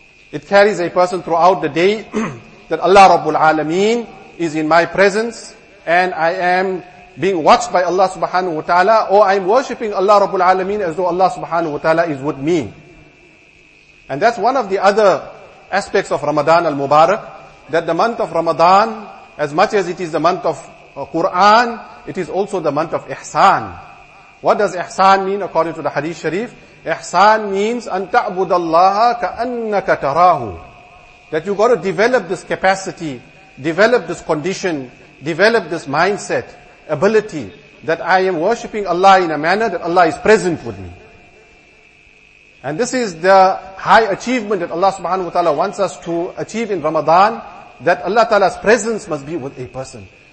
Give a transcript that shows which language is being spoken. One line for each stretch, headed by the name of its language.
English: It carries a person throughout the day that Allah Rabbul Alameen is in my presence, and I am being watched by Allah subhanahu wa ta'ala, or I am worshipping Allah Rabbul Alameen as though Allah subhanahu wa ta'ala is with me. And that's one of the other aspects of Ramadan al-Mubarak, that the month of Ramadan, as much as it is the month of Quran, it is also the month of Ihsan. What does Ihsan mean according to the Hadith Sharif? Ihsan means
Arabic: أن تعبد الله كأنك تراه.
English: That you got to develop this capacity, develop this condition, develop this mindset, ability, that I am worshipping Allah in a manner that Allah is present with me. And this is the high achievement that Allah subhanahu wa ta'ala wants us to achieve in Ramadan, that Allah ta'ala's presence must be with a person.